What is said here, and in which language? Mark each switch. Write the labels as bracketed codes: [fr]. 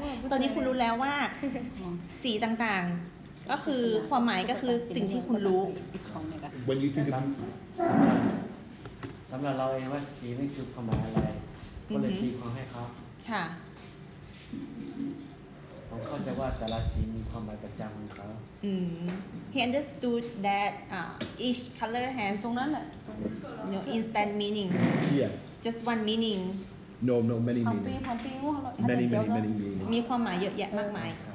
[th] ตอนนี้คุณรู้แล้วว่าสีต่างๆก็คือความหมายก็คือสิ่งที่คุณรู้ [en] When you think of [th] สำหรับเราเองว่าสีนั่นคือความหมายอะไรก็เลยตีความให้เขา ค่ะ ผมเข้าใจว่าแต่ละสีมีความหมายประจำของเขา [en] He understood that each color has [th] ตรงนั้น แหละ [en] instant meaning. Yeah. Just one meaning. No, many meanings. Many meanings. [th] มีความหมายเยอะแยะมากมาย